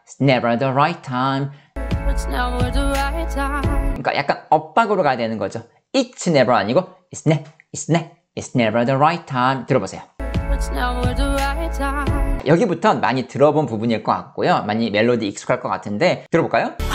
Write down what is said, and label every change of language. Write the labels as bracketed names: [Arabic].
[English] It's never the right time. It's never the right time. [Korean] 그러니까 약간 엇박으로 가야 되는 거죠. [English] It's never [Korean] 아니고 [English] it's ne, it's ne, it's never the right time. [Korean] 들어보세요. [English] It's never the right time. [Korean] 여기부터 많이 들어본 부분일 것 같고요. 많이 멜로디 익숙할 것 같은데 들어볼까요?